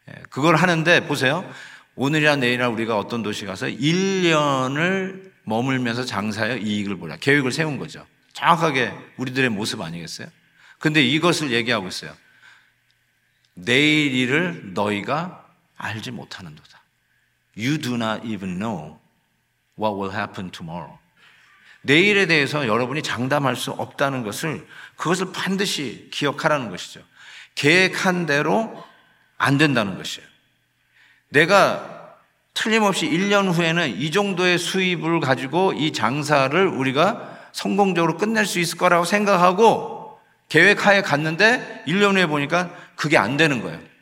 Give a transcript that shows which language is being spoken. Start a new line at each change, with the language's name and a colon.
Korean: 그걸 하는데 보세요. 오늘이나 내일이나 우리가 어떤 도시 가서 1년을 머물면서 장사하여 이익을 보라. 계획을 세운 거죠. 정확하게 우리들의 모습 아니겠어요? 근데 이것을 얘기하고 있어요. 내일 일을 너희가 알지 못하는 도다.
English: You do not even know what will happen tomorrow.
Korean: 내일에 대해서 여러분이 장담할 수 없다는 것을 그것을 반드시 기억하라는 것이죠. 계획한 대로 안 된다는 것이에요. 내가 틀림없이 1년 후에는 이 정도의 수입을 가지고 이 장사를 우리가 성공적으로 끝낼 수 있을 거라고 생각하고 계획하에 갔는데 1년 후에 보니까 그 그게 안 되는 거예요.